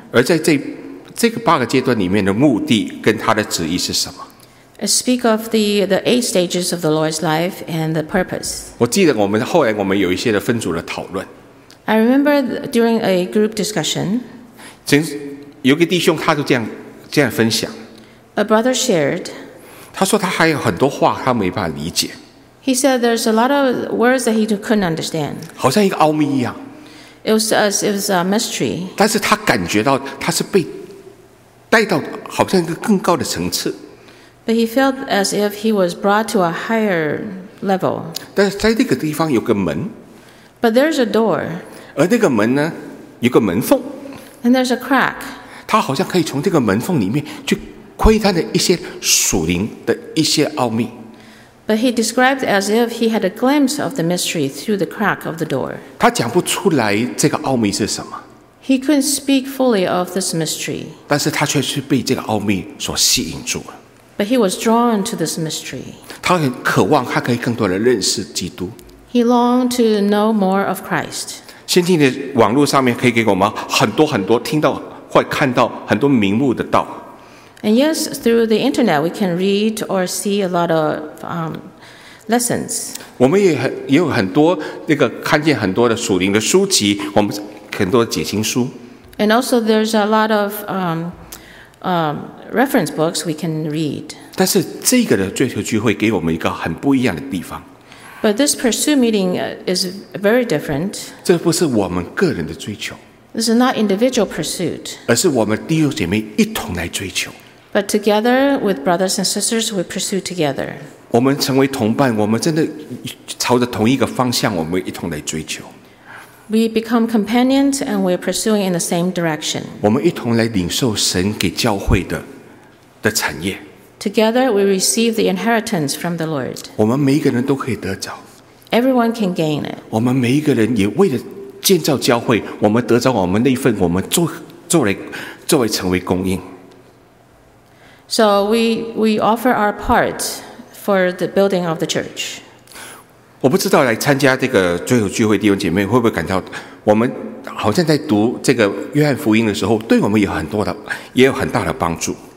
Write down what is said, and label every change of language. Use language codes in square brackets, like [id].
[zh] 而在这个八个阶段里面的目的跟他的旨意是什么？ [en] Speak of the eight stages of the Lord's life and the purpose. [zh] 我记得后来我们有一些的分组的讨论。 [en] I remember during a group discussion. [zh] 有个弟兄他就这样分享。 [en] A brother shared. [zh] 他说他还有很多话他没办法理解。 [en] He said there's a lot of words that he couldn't understand. [zh] 好像一个奥秘一样。 [en] It was a mystery. [zh] 但是他感觉到他是被带到好像一个更高的层次。 [en] But he felt as if he was brought to a higher level. [zh] 但是在那个地方有个门。 [en] But there's a door. [zh] 而那个门呢，有个门缝。 [en] And there's a crack. [zh] 他好像可以从这个门缝里面去窥探的一些属灵的一些奥秘。 [en] But he described as if he had a glimpse of the mystery through the crack of the door. [zh] 他讲不出来这个奥秘是什么。 [en] He couldn't speak fully of this mystery. [zh] 但是他却是被这个奥秘所吸引住了。 [en] But he was drawn to this mystery. [zh] 他很渴望他可以更多的认识基督。 [en] He longed to know more of Christ. [zh] 先进的网络上面可以给我们很多很多听到或看到很多名目的道。 [en] And yes, through the internet, we can read or see a lot of lessons. [zh] 我们也有很多那个看见很多的属灵的书籍，我们很多解经书。 [en] And also there's a lot of reference books we can read. [zh] 但是这个的追求聚会给我们一个很不一样的地方。 [en] But this pursuit meeting is very different. [zh] 这不是我们个人的追求。 [en] This is not individual pursuit. [zh] 而是我们弟兄姐妹一同来追求。 [en] But together with brothers and sisters, we pursue together. [zh] 我们成为同伴，我们真的朝着同一个方向，我们一同来追求。 [en] We become companions and we're pursuing in the same direction. [zh] 我们一同来领受神给教会的产业。 [en] Together we receive the inheritance from the Lord. [zh] 我们每一个人都可以得着。 [en] Everyone can gain it. [zh] 我们每一个人也为了建造教会，我们得着我们那份，我们作为成为供应。 [en] So we offer our part for the building of the church. [zh] 我不知道来参加这个追求聚会弟兄姐妹会不会感到我们好像在读这个约翰福音的时候对我们有很多的也有很大的帮助。